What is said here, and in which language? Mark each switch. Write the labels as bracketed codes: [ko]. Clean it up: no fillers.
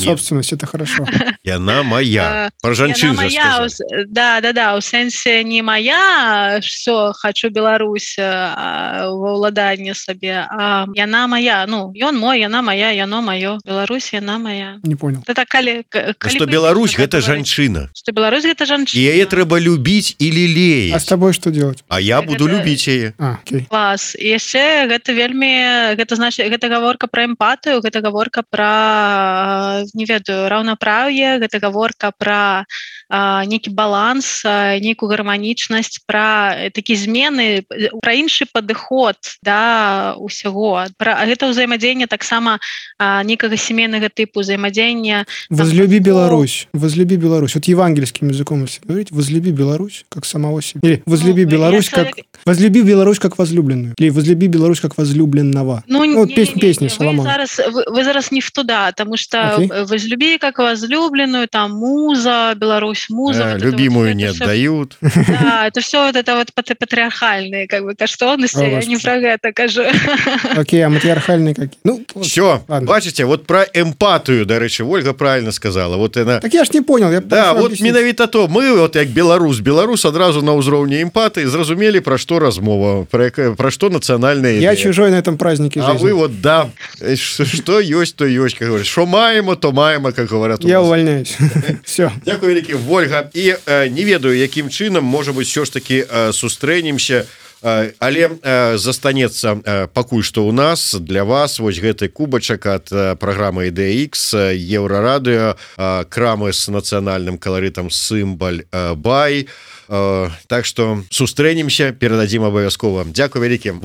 [ru] Собственность, это хорошо. Яна моя. Про женщин же сказали. Да-да-да, в сенсе не моя, все, хочу Беларусь в владание с яна моя, ну, ён мой, яна моя, яно моё, Беларусь, яна моя. Не понял. Это калі [be] что Беларусь, гэта жанчына. Что Беларусь, гэта жанчына. І яе трэба любіць і лілеяць. [ru] А с тобой что делать? [be] А я буду любіць яе. [ru] А, окей. [be] Клас. І яшчэ гэта вельмі, гэта значыць, гэта гаворка пра эмпатыю, гэта гаворка пра, не ведаю, раўнапраўе, гэта гаворка пра некі баланс, некую гарманічнасць, пра такі змены, пра іншы падыход, да, усяго. Пра гэта ўзаемадзеянне таксама некага сімейнага тыпу ўзаемадзеяння. [ru] Возлюби Беларусь. Возлюби Беларусь. Вот евангельскім языком, если говорить, возлюби Беларусь, как самого себя. Или возлюби Беларусь, как... Возлюби Беларусь, как возлюбленную. Или возлюби Беларусь, как возлюбленного. Ну, вот песня Соломона. Вы зараз не в туда, потому что возлюби, как возлюбленную, там, муза, Беларусь, муза. Вот любимую не отдают. Да, это все вот это вот патриархальные как бы каштонности, я не про это кажу. Окей, а матриархальные какие? Ну, все, ладно. Бачите, вот про эмпатию, да, речи, Ольга правильно сказала. Вот она... Так я ж не понял. Я да, вот менавіта то, мы вот как белорус, одразу на узровне эмпатии, зразумели, про что размова, про что национальная идея. Я чужой на этом празднике жизни. А вы вот, да, что есть, то есть, как говорят. Что маемо, то маемо, как говорят. Я увольняюсь. Все. Дякую, Рики, Ольга. И не ведаю, каким чином, может быть, все ж таки сустренимся. [be] Але застанецца пакуль што ў нас для вас вось гэты кубачак ад праграмы IDX Еўрарадыё крамы з нацыянальным каларытам сімбаль бай. Так што сустрэнемся, перададзім абавязкова. Дзякуй вялікім.